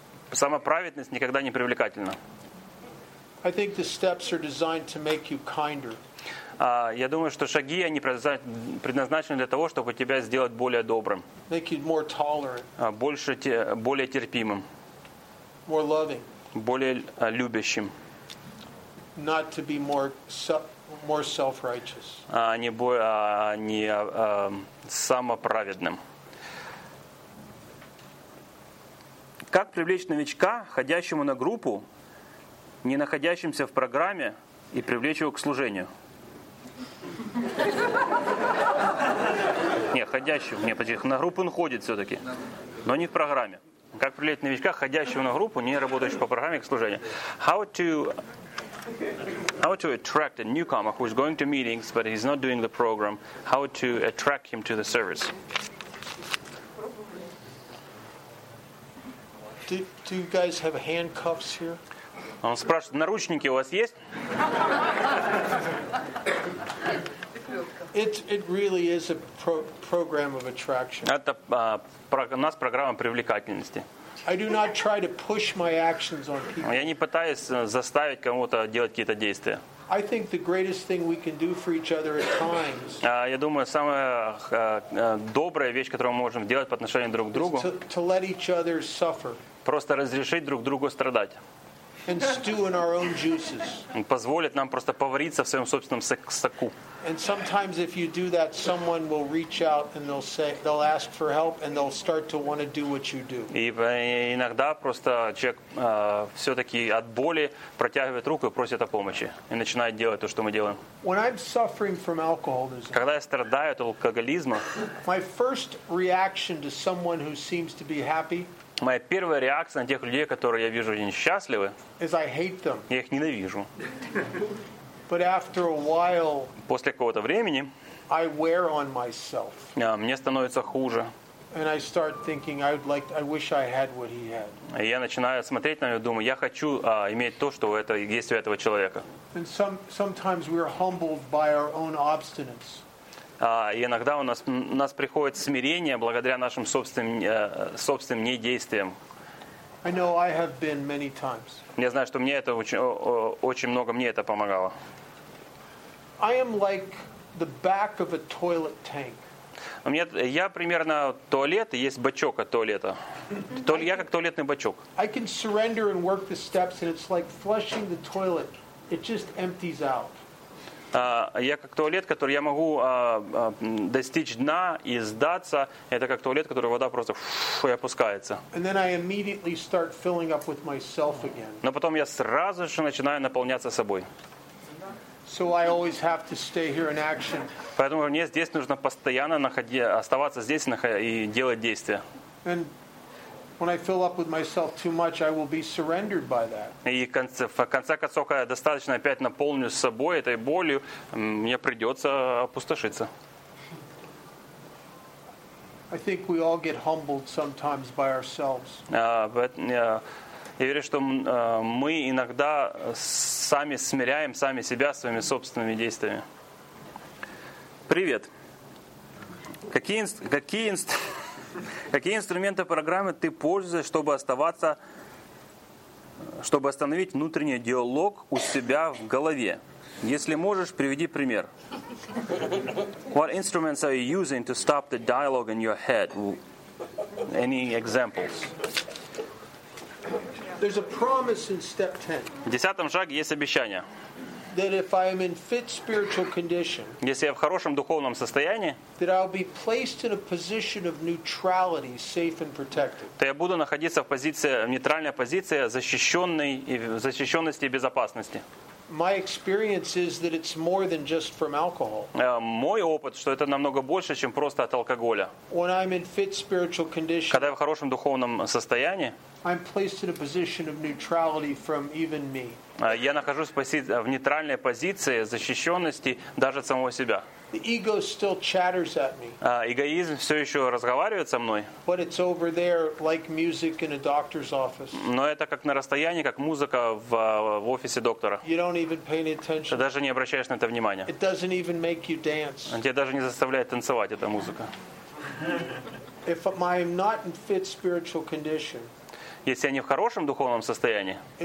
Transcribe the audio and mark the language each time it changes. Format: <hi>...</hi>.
<ru>Самоправедность никогда не привлекательна.</ru> <en>I think the steps are designed to make you kinder.</en> <ru>Я думаю, что шаги они предназначены для того, чтобы тебя сделать более добрым.</ru> <en>Make you more tolerant.</en> <ru>Более терпимым.</ru> <en>More loving.</en> <ru>Более любящим.</ru> <en>Not to be more self-righteous.</en> <ru>Самоправедным. Как привлечь новичка, ходящему на группу, не находящимся в программе, и привлечь его к служению? На группу он ходит все-таки, но не в программе. Как привлечь новичка, ходящего на группу, не работающего по программе, к служению?</ru> <en>How to attract a newcomer who is going to meetings, but he's not doing the program, how to attract him to the service? Do you guys have handcuffs here?</en> <ru>Он спрашивает, наручники у вас есть?</ru> <en>It really is a program of attraction.</en> <ru>Это у нас программа привлекательности.</ru> <en>I do not try to push my actions on people.</en> <ru>Я не пытаюсь заставить кого-то делать какие-то действия.</ru> <en>I think the greatest thing we can do for each other at times.</en> <ru>Я думаю, самая добрая вещь, которую мы можем делать по отношению друг к другу,</ru> <en>to let each other suffer.</en> <ru>Просто разрешить друг другу страдать.</ru> <en>And stew in our own juices.</en> <ru>Позволить нам просто повариться в своем собственном соку.</ru> <en>And sometimes if you do that, someone will reach out and they'll ask for help and they'll start to want to do what you do.</en> <ru>И иногда просто человек все-таки от боли протягивает руку и просит о помощи. И начинает делать то, что мы делаем.</ru> <en>When I'm suffering from alcoholism,</en> <ru>когда я страдаю от алкоголизма,</ru> <en>my first reaction to someone who seems to be happy,</en> <ru>моя первая реакция на тех людей, которые я вижу, они счастливы,</ru> <en>is I hate them.</en> <ru>Я их ненавижу.</ru> <en>But after a while,</en> <ru>после какого-то времени,</ru> <en>I wear on myself.</en> <ru>Мне становится хуже.</ru> <en>And I start thinking, I wish I had what he had.</en> <ru>И я начинаю смотреть на него и думаю, я хочу иметь то, что есть у этого человека.</ru> <en>And sometimes we are humbled by our own obstinance.</en> <ru>И иногда у нас приходит смирение благодаря нашим собственным недействиям.</ru> <en>I know I have been many times.</en> <ru>Я знаю, что мне это очень много мне это помогало.</ru> <en>I am like the back of a toilet tank.</en> <ru>Я примерно туалет, и есть бачок от туалета. Я как туалетный бачок.</ru> <en>I can surrender and work the steps, and it's like flushing the toilet. It just empties out.</en> <ru>Я как туалет, который я могу достичь дна и сдаться. Это как туалет, который вода просто и опускается.</ru> <en>And then I immediately start filling up with myself again.</en> <ru>Но потом я сразу же начинаю наполняться собой.</ru> <en>So I always have to stay here in action.</en> <ru>Поэтому мне здесь нужно постоянно оставаться здесь и делать действия.</ru> <en>And when I fill up with myself too much, I will be surrendered by that.</en> <ru>И в конце концов, когда я достаточно опять наполнюсь собой этой болью, мне придется опустошиться.</ru> <en>I think we all get humbled sometimes by ourselves.</en> <ru>Я верю, что мы иногда сами смиряем сами себя своими собственными действиями. Привет. Какие инструменты программы ты пользуешься, чтобы остановить внутренний диалог у себя в голове? Если можешь, приведи пример.</ru> <en>What instruments are you using to stop the dialogue in your head? Any examples? There's a promise in step 10.</en> <ru>В 10-м шаге есть обещание.</ru> <en>That if I am in fit spiritual condition,</en> <ru>если я в хорошем духовном состоянии,</ru> <en>that I'll be placed in a position of neutrality, safe and protected.</en> <ru>То я буду находиться в позиции нейтральной позиции защищенности и безопасности.</ru> <en>My experience is that it's more than just from alcohol.</en> <ru>Мой опыт, что это намного больше, чем просто от алкоголя.</ru> <en>When I'm in fit spiritual condition,</en> <ru>когда я в хорошем духовном состоянии,</ru> <en>I'm placed in a position of neutrality from even me.</en> <ru>Я нахожусь в нейтральной позиции защищенности даже от самого себя.</ru> <en>The ego still chatters at me.</en> <ru>Эгоизм все еще разговаривает со мной.</ru> <en>But it's over there, like music in a doctor's office.</en> <ru>Но это как на расстоянии, как музыка в офисе доктора.</ru> <en>You don't even pay any attention.</en> <ru>Ты даже не обращаешь на это внимания.</ru> <en>It doesn't even make you dance.</en> <ru>Тебя даже не заставляет танцевать эта музыка.</ru> <en>If I'm not in fit spiritual condition,</en> <ru>если я не в хорошем духовном состоянии,</ru>